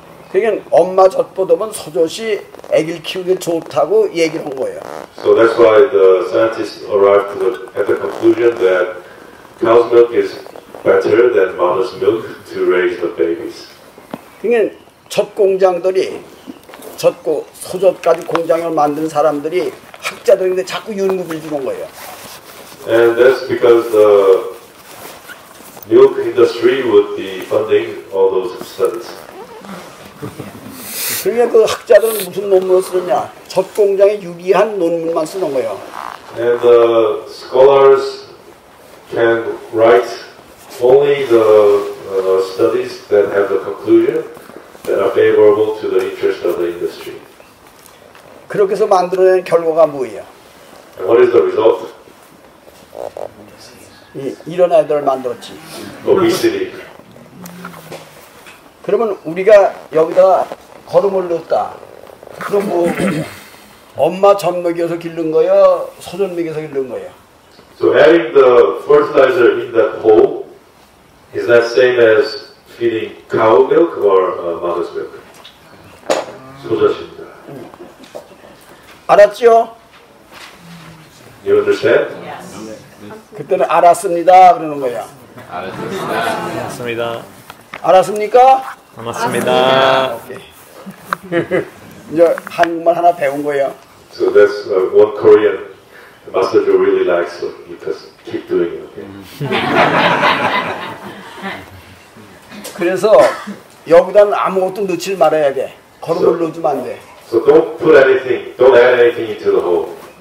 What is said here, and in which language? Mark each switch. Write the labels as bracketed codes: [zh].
[ko] 그러니까 엄마 젖보다는 소젖이 아기를 키우기 좋다고 얘기를 한 거예요. [en] So that's why the scientists arrived at the conclusion that cow's milk is better than mother's milk to raise the babies. [ko] 그러니까 젖 공장들이 젖고 소젖까지 공장을 만든 사람들이 학자들인데 자꾸 연구비를 주는 거예요. [en] And that's because the milk industry would be funding all those studies. [ko] 그러니까 그 학자들은 무슨 논문을 쓰느냐? 젖 공장에 유리한 논문만 쓰는 거예요. [en] And the scholars can write only the studies that have the conclusion that are favorable to the interest of the industry. [ko] 그렇게 해서 만들어낸 결과가 뭐예요? [en] And what is the result? [ko] 이런 애들을 만들었지. [en] Obesity. [ko] 그러면 우리가 여기다가 거름을 넣었다. 그럼 뭐 엄마 젖먹여서 기른 거예요? 소젖먹여서 기른 거예요? [en] So adding the fertilizer in that hole is that same as feeding cow milk or mother's milk? [ko] 소젖입니다. 알았죠? [en] You understand? Yes. [ko] 그때는 알았습니다 그러는 거야. 알았습니다. 알았습니까? 알았습니다. 이제 한국말 하나 배운 거예요. [en] So that's what Korean massage really likes, so because keep doing it. Okay? [ko] 그래서 여기다는 아무것도 넣지 말아야 돼. 거름을 넣으면 안 돼. [en] So don't put anything, don't add anything into the hole.